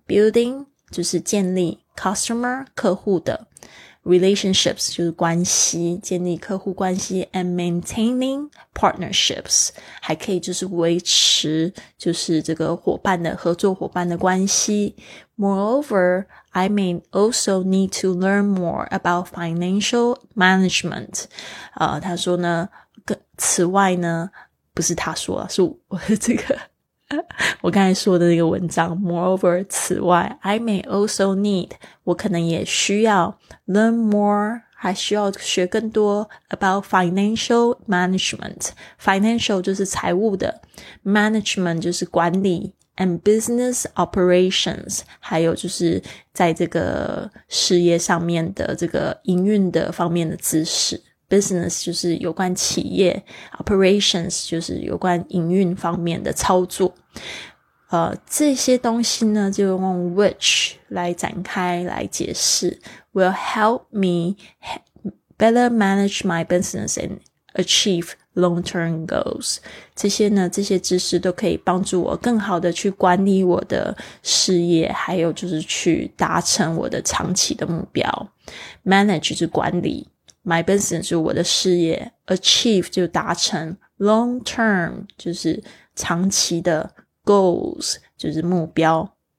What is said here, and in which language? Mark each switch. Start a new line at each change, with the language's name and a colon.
Chinese: Building 就是建立 customer 客户的 relationships 就是关系，建立客户关系
English: and maintaining partnerships
Chinese: 还可以就是维持就是这个伙伴的合作伙伴的关系。
English: Moreover,I may also need to learn more about financial management.
Chinese: 他说呢，此外呢，不是他说了，是我的这个，我刚才说的那个文章。
English: Moreover,
Chinese: 此外
English: ,I may also need,
Chinese: 我可能也需要
English: learn more,
Chinese: 还需要学更多
English: about financial management.
Chinese: Financial 就是财务的， management 就是管理。
English: And business operations,
Chinese: 还有就是在这个事业上面的这个营运的方面的知识。 Business 就是有关企业， operations 就是有关营运方面的操作。这些东西呢就用
English: which
Chinese: 来展开来解释，
English: will help me better manage my business and achieve long-term goals.
Chinese: 这些呢，这些知识都可以帮助我更好的去管理我的事业，还有就是去达成我的长期的目标。 Manage 是管理， my business 是我的事业， achieve 就达成， long-term 就是长期的 goals 就是目标。